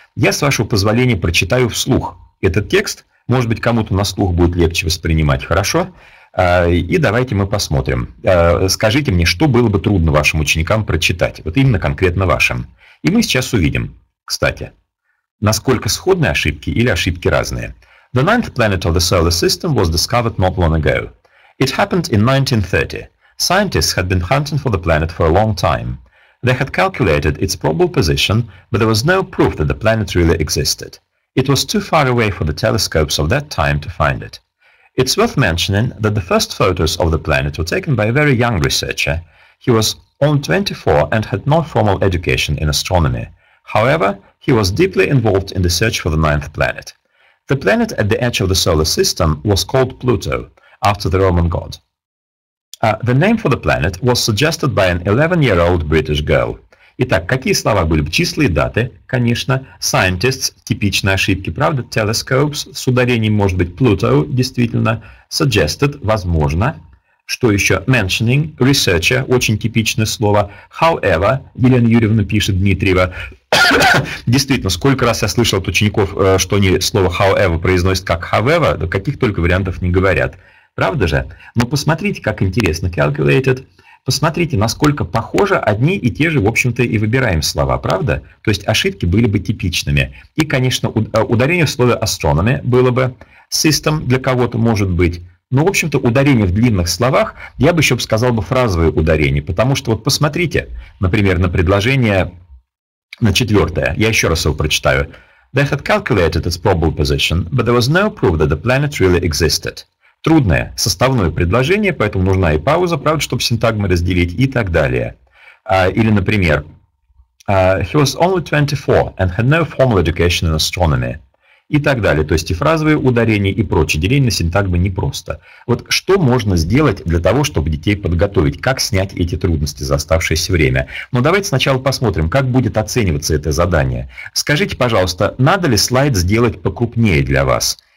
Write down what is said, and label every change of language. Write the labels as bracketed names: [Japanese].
[Russian] Я, с вашего позволения, прочитаю вслух этот текст. Может быть, кому-то на слух будет легче воспринимать, хорошо? И давайте мы посмотрим. Скажите мне, что было бы трудно вашим ученикам прочитать, вот именно конкретно вашим. И мы сейчас увидим, кстати, насколько сходны ошибки или ошибки разные. [English] The ninth planet of the solar system was discovered not long ago. It happened in 1930. Scientists had been hunting for the planet for a long time. They had calculated its probable position, but there was no proof that the planet really existed. It was too far away for the telescopes of that time to find it. It's worth mentioning that the first photos of the planet were taken by a very young researcher. He was only 24 and had no formal education in astronomy. However, he was deeply involved in the search for the ninth planet. The planet at the edge of the solar system was called Pluto, after the Roman god. The name for the planet was suggested by an 11-year-old British girl. [Russian] Итак, какие слова были бы? Числа и даты, конечно. Scientists, типичные ошибки, правда? Telescopes, с ударением может быть Pluto, действительно. Suggested, возможно. Что еще? Mentioning, researcher, очень типичное слово. However, Елена Юрьевна пишет, Дмитриева. Действительно, сколько раз я слышал от учеников, что они слово however произносят как however, да каких только вариантов не говорят. Правда же? Но посмотрите, как интересно calculated. Посмотрите, насколько похожи одни и те же, в общем-то, и выбираем слова, правда? То есть ошибки были бы типичными. И, конечно, ударение в слове astronomy было бы system для кого-то, может быть. Но, в общем-то, ударение в длинных словах, я бы еще сказал бы фразовое ударение. Потому что вот посмотрите, например, на предложение на четвертое. Я еще раз его прочитаю. [English] They had calculated its probable position, but there was no proof that the planet really existed. [Russian] Трудное составное предложение, поэтому нужна и пауза, правда, чтобы синтагмы разделить и так далее. Или, например, [English] He was only 24 and had no formal education in astronomy. [Russian] И так далее. То есть и фразовые ударения, и прочие деления синтагмы непросто. Вот что можно сделать для того, чтобы детей подготовить? Как снять эти трудности за оставшееся время? Но давайте сначала посмотрим, как будет оцениваться это задание. Скажите, пожалуйста, надо ли слайд сделать покрупнее для вас?